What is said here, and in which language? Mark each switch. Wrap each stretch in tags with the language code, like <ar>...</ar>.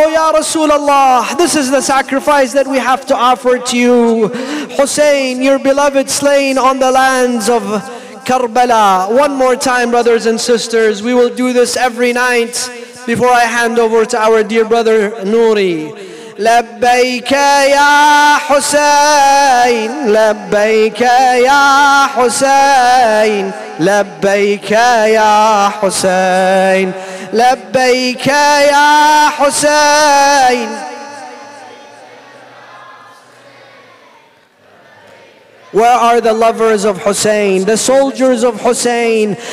<en>Oh Ya Rasulullah, this is the sacrifice that we have to offer to you. Hussein, your beloved slain on the lands of Karbala. One more time, brothers and sisters, we will do this every night before I hand over to our dear brother Nuri.</en> <ar>لبيك يا حسين لبيك يا حسين لبيك يا حسين لبيك يا حسين.</ar> <en>Where are the lovers of Hussein, the soldiers of Hussein?</en>